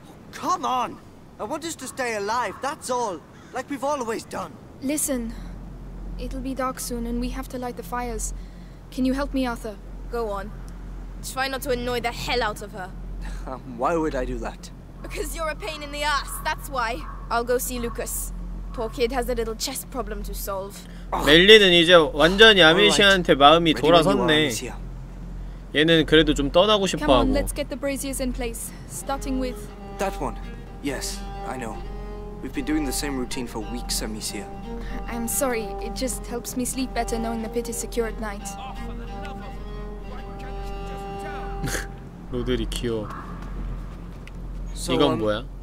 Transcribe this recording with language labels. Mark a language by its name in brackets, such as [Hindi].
[English] Come on. I want us to stay alive. That's all. Like we've always done. Listen, it'll be dark soon and we have to light the fires. Can you help me, Arthur? Go on. Try not to annoy the hell out of her. Why would I do that? Because you're a pain in the ass, that's why. I'll go see Lucas. Poor kid has a little chest problem to solve. [Korean] 멜리는 이제 완전히 아미시아한테 마음이 돌아섰네. 얘는 그래도 좀 떠나고 싶어 하고. [English] Come on, let's get the braziers in place. Starting with... That one. Yes, I know. We've been doing the same routine for weeks, Amicia. I'm sorry. It just helps me sleep better knowing the pit is secure at night. [Korean] 로드리 귀여워. 이건 뭐야?